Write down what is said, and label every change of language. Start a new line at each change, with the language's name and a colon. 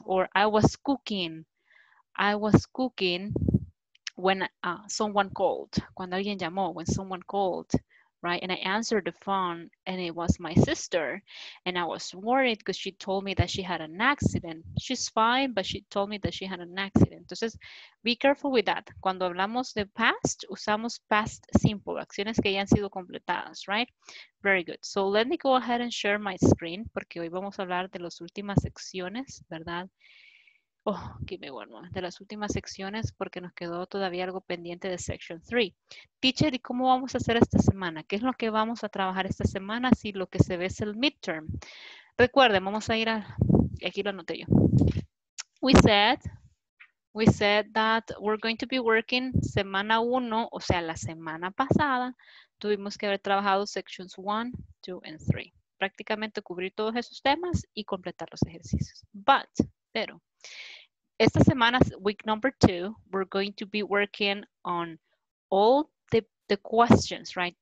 English: Or I was cooking. I was cooking when someone called.
Spanish: Cuando alguien llamó,
English: when someone called, right? And I answered the phone and it was my sister. And I was worried because she told me that she had an accident. She's fine, but she told me that she had an accident. Entonces, be careful with that.
Spanish: Cuando hablamos de past, usamos past simple, acciones que ya han sido completadas, right?
English: Very good. So let me go ahead and share my screen
Spanish: porque hoy vamos a hablar de las últimas secciones, ¿verdad?
English: Oh, give me one more.
Spanish: De las últimas secciones, porque nos quedó todavía algo pendiente de section 3. Teacher, ¿y cómo vamos a hacer esta semana? ¿Qué es lo que vamos a trabajar esta semana si lo que se ve es el midterm? Recuerden, vamos a ir a... Aquí lo anoté yo.
English: We said that we're going to be working
Spanish: semana 1, o sea, la semana pasada, tuvimos que haber trabajado
English: sections 1, 2, and 3.
Spanish: Prácticamente cubrir todos esos temas y completar los ejercicios. Pero, esta semana,
English: week number 2, we're going to be working on all the questions, right?